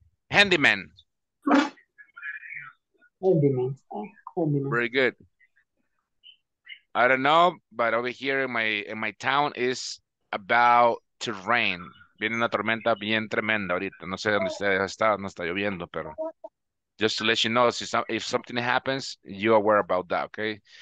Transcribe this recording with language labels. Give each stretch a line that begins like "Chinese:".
English: Handyman. Handyman. Very good. I don't know, but over here in my town is about to rain.
Spanish: Viene una tormenta bien tremenda ahorita. No sé dónde ustedes están, no está lloviendo, pero...
English: Just to let you know, if something happens, you are aware about that, okay?